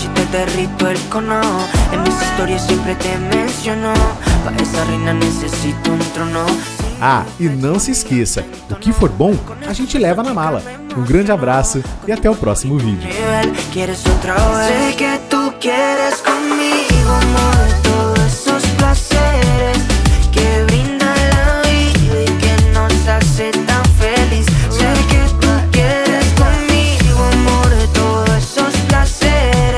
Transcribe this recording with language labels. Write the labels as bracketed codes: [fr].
[es] Derrito el cono, en mis historias siempre te menciono. Para esa reina necesito un trono. [pt] Ah, e não se esqueça, o que for bom, a gente leva na mala. Um grande abraço e até o próximo vídeo. [es] Quieres otra vez. Sé que tú quieres conmigo, amor, todos esos placeres que brinda la vida y que nos hace tan feliz. Sé que tú quieres conmigo, amor, todos esos placeres.